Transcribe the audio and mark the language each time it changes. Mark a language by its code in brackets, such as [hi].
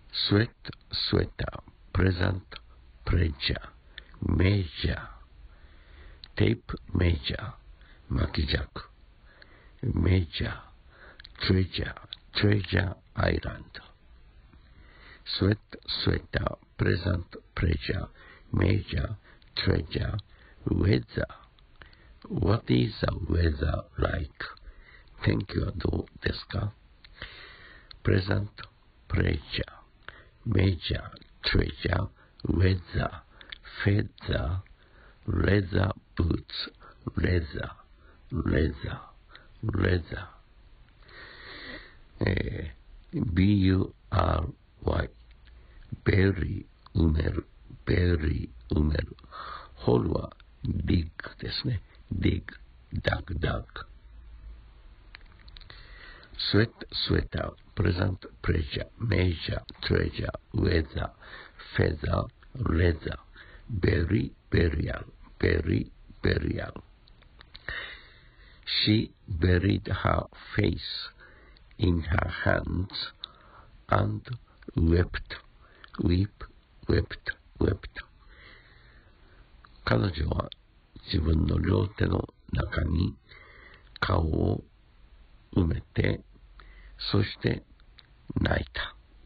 [en] スウェット、スウェッター、プレゼント、プレジャー、メジャー、テープ、メジャー、巻きジャック、メジャー、トレジャー、トレジャーアイランド。スウェット、スウェッター、プレゼント、プレジャー、メジャー、トレジャー、ウェザー。 What is the weather like? [ja] 天気はどうですか？ [en] プレゼント、プレジャー。 Major, treasure, weather, feather, leather boots, leather, leather, leather. B-U-R-Y, berry, [ja] umeru, [en] berry, umeru. [ja] Hole は dig ですね。 [en] Dig, dug, dug. Sweat, sweater. Present, pleasure, major, treasure, weather, feather, leather, berry, burial, berry, burial. She buried her face in her hands and wept, weep, wept, wept. [ja] 彼女は自分の両手の中に顔を埋めて、そして泣いた。